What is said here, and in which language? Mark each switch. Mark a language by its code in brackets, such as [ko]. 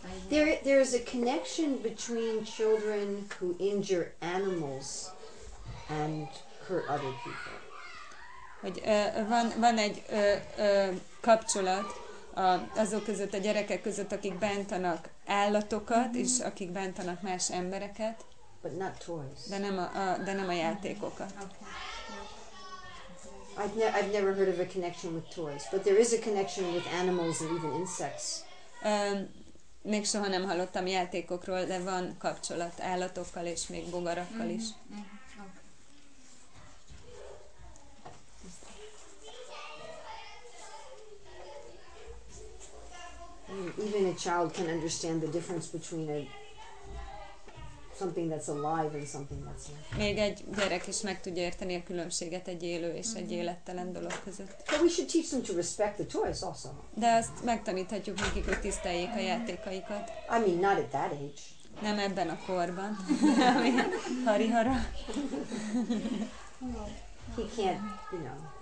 [en] There is a connection between children who injure animals and hurt other people. [hu] Hogy van egy kapcsolat azok között, a gyerekek között, akik bántanak állatokat, mm-hmm. és akik bántanak más embereket. [en] But not toys. [hu] De nem a játékokat. [en] Okay. I've never heard of a connection with toys, but there is a connection with animals and even insects. [hu] Még soha nem hallottam játékokról, de van kapcsolat állatokkal és még bogarakkal is. [en] Even a child can understand the difference between something that's alive and something that's not. [hu] Még egy gyerek is meg tudja érteni a különbséget egy élő és egy élettelen dolog között. [en] But we should teach them to respect the toys also. [hu] De azt megtaníthatjuk nekik, hogy tiszteljék a játékaikat. [en] I mean, not at that age. [hu] Nem ebben a korban. Harihara. [en] He can't, you know.